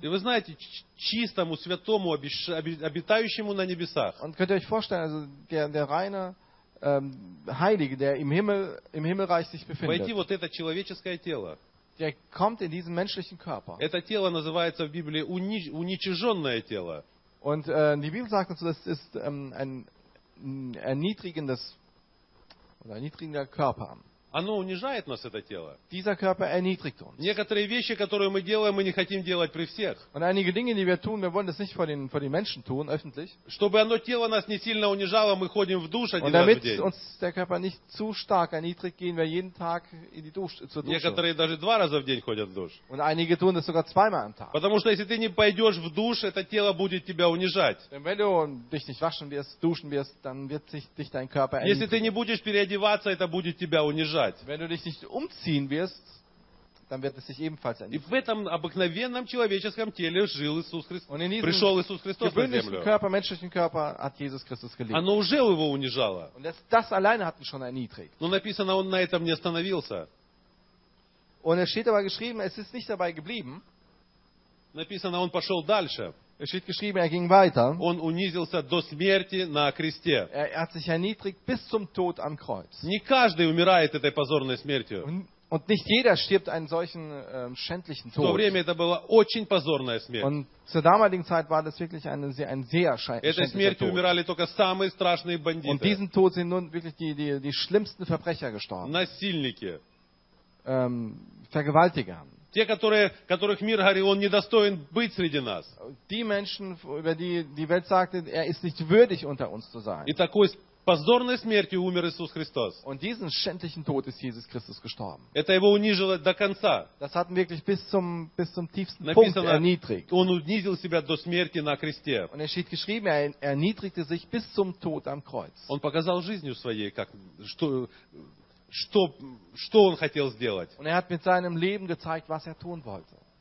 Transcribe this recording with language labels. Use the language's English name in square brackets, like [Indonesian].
[Russian] И вы знаете, чистому, святому, обитающему на небесах. [German] Und könnt ihr euch vorstellen, also der reine Heilige, der im Himmelreich sich befindet. [Russian] Войти вот это человеческое тело. [German] Der kommt in diesen menschlichen Körper. [Russian] Это тело называется в Библии уничиженное тело. [German] Und die Bibel sagt dazu, das ist ein erniedrigendes oder erniedrigender Körper. [Russian] Оно унижает нас, это тело. [German] Dieser Körper erniedrigt uns. [Russian] Некоторые вещи, которые мы делаем, мы не хотим делать при всех. [German] Und einige Dinge, die wir tun, wir wollen das nicht vor den Menschen tun, öffentlich. [Russian] Чтобы оно тело нас не сильно унижало, мы ходим в душ один раз в день. [German] Und damit uns der Körper nicht zu stark erniedrigt, gehen wir jeden Tag in die Dusche, zur Dusche. [Russian] Некоторые даже два раза в день ходят в душ. [German] Und einige tun das sogar zweimal am Tag. [Russian] Потому что если ты не пойдешь в душ, это тело будет тебя унижать. [German] Denn wenn du dich nicht waschen wirst, duschen wirst, dann wird dich dein Körper erniedrigen. [Russian] Если ты не будешь переодеваться, это будет тебя унижать. [German] Wenn du dich nicht umziehen wirst, dann wird es dich ebenfalls erniedrigen. [Russian] И в этом обыкновенном человеческом теле жил Иисус Христос. Пришел Иисус Христос на землю. [German] Körper, menschlichen Körper hat Jesus Christus gelebt. [Russian] Оно уже его унижало. [German] Und das alleine hat ihn schon erniedrigt. [Russian] Но написано, он на этом не остановился. [German] Und es steht aber geschrieben, es ist nicht dabei geblieben. [Russian] Написано, он пошел дальше. [German] Es steht geschrieben, er ging weiter. [Russian] Он унизился до смерти на кресте. [German] Er hat sich erniedrigt bis zum Tod am Kreuz. [Russian] Не каждый умирает этой позорной смертью. [German] Und nicht jeder stirbt einen solchen schändlichen Tod. [Russian] В то время это была очень позорная смерть. [German] Und zur damaligen Zeit war das wirklich ein sehr schändlicher Tod. [Russian] Этой смертью умирали только самые страшные бандиты. [German] Und diesen Tod sind nun wirklich die schlimmsten Verbrecher gestorben. [Russian] Насильники. [German] Vergewaltiger. [Russian] Те, которых мир говорит, он недостоин быть среди нас. [German] Die Menschen, über die Welt sagte, er ist nicht würdig unter uns zu sein. [Russian] И такой позорной смертью умер Иисус Христос. [German] Und diesen schändlichen Tod ist Jesus Christus gestorben. [Russian] Это его унизило до конца. [German] Das hat wirklich bis zum tiefsten Punkt erniedrigt. [Russian] Он унизил себя до смерти на кресте. [German] Und es steht geschrieben, er erniedrigte sich bis zum Tod am Kreuz. [Russian] Он показал жизнью своей, как что. Что он хотел сделать? [German] Und er hat mit seinem Leben gezeigt, was er tun wollte.